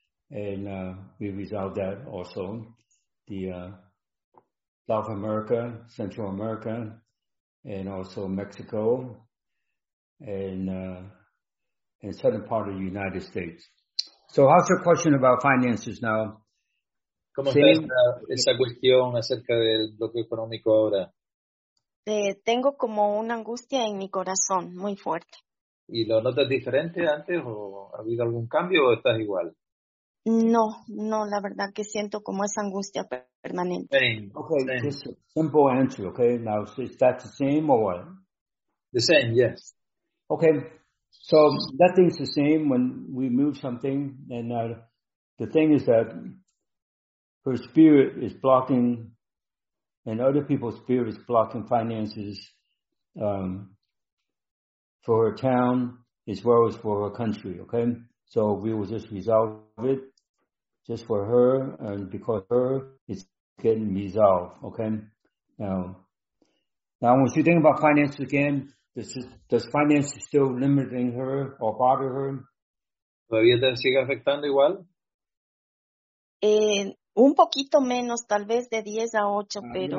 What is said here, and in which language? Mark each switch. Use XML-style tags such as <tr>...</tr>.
<en>And we resolved that also. The South America, Central America, and also Mexico, and southern part of the United States. So how's your question about finances now?</en> <es>¿Cómo está esa cuestión acerca del bloqueo económico ahora? Tengo como una angustia en mi corazón, muy fuerte. ¿Y lo notas diferente antes o ha habido algún cambio o estás igual? No, no, la verdad que siento como esa angustia permanente.</es> <en>Same. Okay, same. Just a simple answer, okay? Now, is that the same or what? The same, yes. Okay, so that thing's the same when we move something, and the thing is that her spirit is blocking, and other people's spirit is blocking finances for her town as well as for her country, okay? So we will just resolve it just for her, and because her is getting resolved, okay? Now, when she thinks about finances again, does finance still limiting her or bother her?</en> <es>¿Todavía te sigue afectando igual? Un poquito menos, tal vez de 10 a 8, pero</es>